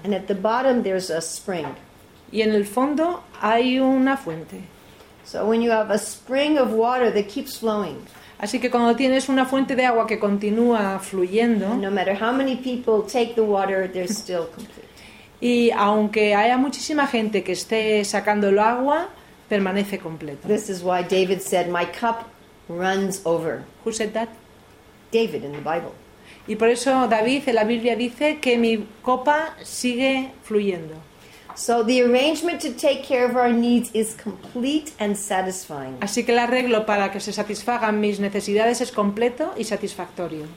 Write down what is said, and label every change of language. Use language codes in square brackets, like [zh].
[en] And at the bottom there's a spring. [es] Y en el fondo hay una fuente. [en] So when you have a spring of water that keeps flowing. [es] Así que cuando tienes una fuente de agua que continúa fluyendo, [en] no matter how many people take the water, they're still complete. [es] Y aunque haya muchísima gente que esté sacando el agua, permanece completo. [en] This is why David said, "My cup runs over." Who said that? David in the Bible. [es] Y por eso David en la Biblia dice que mi copa sigue fluyendo. [en] So the arrangement to take care of our needs is complete and satisfying. [es] Así que el arreglo para que se satisfagan mis necesidades es completo y satisfactorio.